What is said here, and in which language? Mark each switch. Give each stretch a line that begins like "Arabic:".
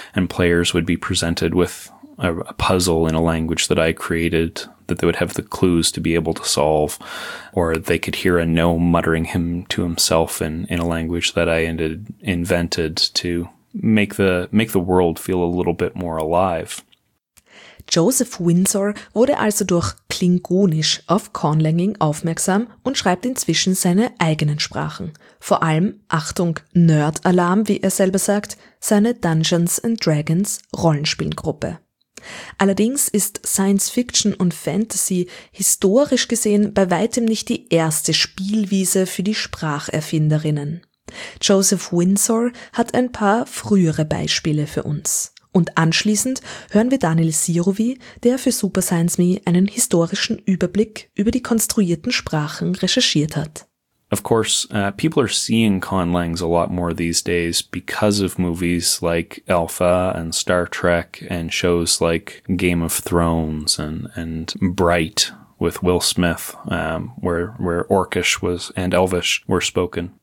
English: players would be presented with a puzzle in a language that I created that they would have the clues to be able to solve, or they could hear a gnome muttering him to himself in a language that I invented to make the world feel a little bit more alive.
German: Joseph Windsor wurde also durch Klingonisch auf Conlanging aufmerksam und schreibt inzwischen seine eigenen Sprachen. Vor allem, Achtung, Nerd-Alarm, wie er selber sagt, seine Dungeons and Dragons Rollenspielgruppe. Allerdings ist Science Fiction und Fantasy historisch gesehen bei weitem nicht die erste Spielwiese für die Spracherfinderinnen. Joseph Windsor hat ein paar frühere Beispiele für uns. Und anschließend hören wir Daniel Sirovi, der für Super Science Me einen historischen Überblick über die konstruierten Sprachen recherchiert hat.
English: Of course, people are seeing conlangs a lot more these days because of movies like Alpha and Star Trek and shows like Game of Thrones and Bright with Will Smith, where Orcish was and Elvish were spoken.